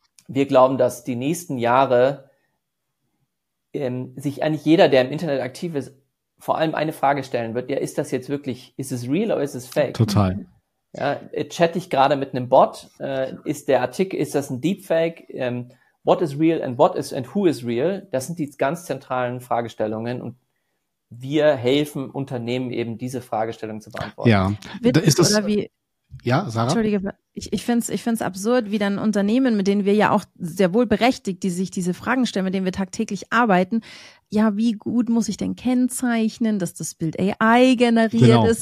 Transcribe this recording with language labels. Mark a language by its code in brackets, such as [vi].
[de] Wir glauben, dass die nächsten Jahre sich eigentlich jeder, der im Internet aktiv ist, vor allem eine Frage stellen wird, ja, ist das jetzt wirklich, ist es real oder ist es fake? Total. Ja, chatte ich gerade mit einem Bot? Ist der Artikel, ist das ein Deepfake? [en] What is real and what is and who is real? [de] Das sind die ganz zentralen Fragestellungen und wir helfen Unternehmen eben, diese Fragestellungen zu beantworten. Ja, ist das, oder wie? Ja, Sarah? Entschuldige, ich find's absurd, wie dann Unternehmen, mit denen wir ja auch sehr wohl berechtigt, die sich diese Fragen stellen, mit denen wir tagtäglich arbeiten, ja, wie gut muss ich denn kennzeichnen, dass das Bild AI generiert ist?